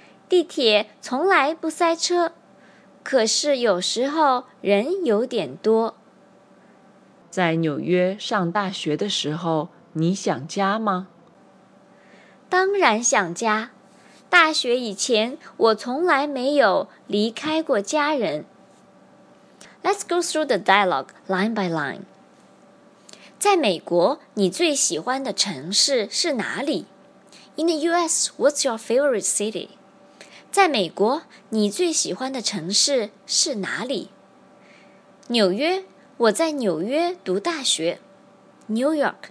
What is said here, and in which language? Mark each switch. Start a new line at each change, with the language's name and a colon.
Chinese: 地铁从来不塞车，可是有时候人有点多。在纽约上大学的时候，你想家吗？当然想家。大学以前，我从来没有离开过家人。
English: Let's go through the dialogue line by line.
Chinese: 在美国，你最喜欢的城市是哪里？
English: In the US, what's your favorite city?
Chinese: 在美国，你最喜欢的城市是哪里？纽约，我在纽约读大学。New York,